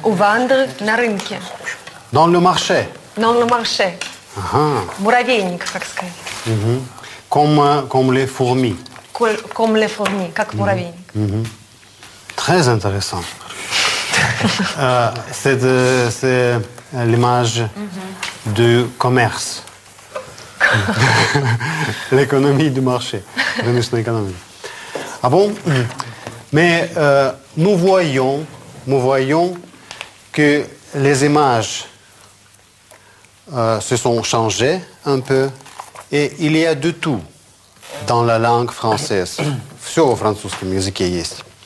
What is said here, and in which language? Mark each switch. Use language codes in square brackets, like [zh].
[fr] Ou vendre [ru] на рынке. [fr] Dans le marché. Dans le marché. [ru] Ага. Муравейник, так сказать. [fr] Угу. Comme les fourmis. Comme les fourmis, [ru] как угу. муравейник. [fr] Угу. Très intéressant. c'est l'image угу. du commerce. L'économie du marché. [ru] Рыночная экономика. [fr] Ah bon? Mais nous voyons que les images se sont changées un peu et il y a de tout dans la langue française. [ru] Все в французском языке есть.